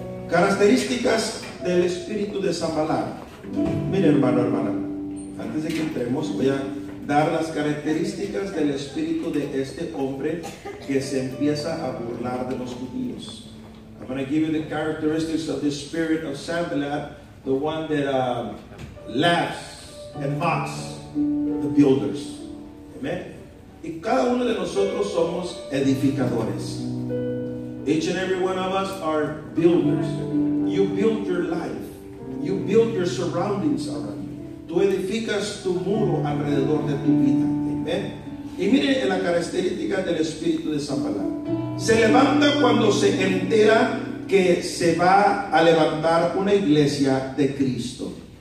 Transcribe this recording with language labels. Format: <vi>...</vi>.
<es>Características del espíritu de Sanbalat. Mira, hermano, hermana. Antes de que entremos, voy a dar las características del espíritu de este hombre que se empieza a burlar de los judíos.</es> <en>I'm going to give you the characteristics of this spirit of Sanballat, the one that laughs and mocks the builders. Amen.</en> <es>Y cada uno de nosotros somos edificadores.</es> <en>Each and every one of us are builders. You build your life. You build your surroundings around you.</en> <es>Tú edificas tu muro alrededor de tu vida. Amen. Y mire la característica del espíritu de Sanballat. Se levanta cuando se entera que se va a levantar una iglesia de Cristo.</es>